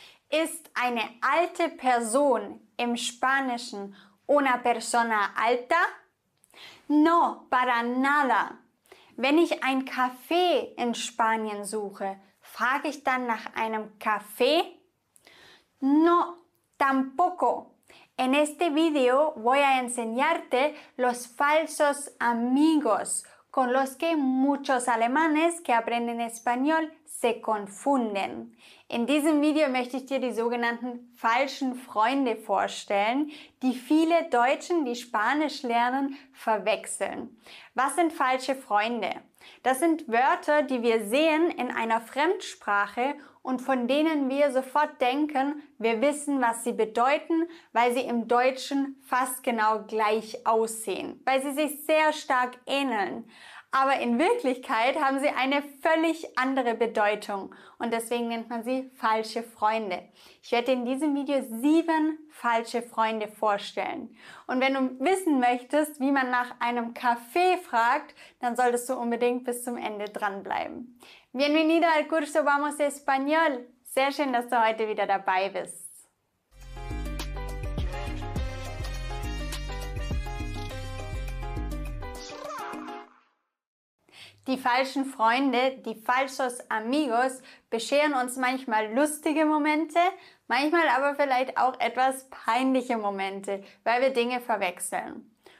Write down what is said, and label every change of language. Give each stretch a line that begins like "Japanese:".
German: Ist eine alte Person im Spanischen
Spanish: una persona alta? No, para nada.
German: Wenn ich ein Café in Spanien suche, frage ich dann nach einem Café?
Spanish: No, tampoco. En este video voy a enseñarte los falsos amigos con los que muchos alemanes que aprenden español se confunden.
German: In diesem Video möchte ich dir die sogenannten falschen Freunde vorstellen, die viele Deutschen, die Spanisch lernen, verwechseln. Was sind falsche Freunde? Das sind Wörter, die wir sehen in einer Fremdsprache und von denen wir sofort denken, wir wissen, was sie bedeuten, weil sie im Deutschen fast genau gleich aussehen, weil sie sich sehr stark ähneln. Aber in Wirklichkeit haben sie eine völlig andere Bedeutung und deswegen nennt man sie falsche Freunde. Ich werde in diesem Video 7 falsche Freunde vorstellen. Und wenn du wissen möchtest, wie man nach einem Café fragt, dann solltest du unbedingt bis zum Ende dranbleiben.
Spanish: Bienvenido al curso Vamos Español.
German: Sehr schön, dass du heute wieder dabei bist. Die falschen Freunde, die falsos amigos, bescheren uns manchmal lustige Momente, manchmal aber vielleicht auch etwas peinliche Momente, weil wir Dinge verwechseln.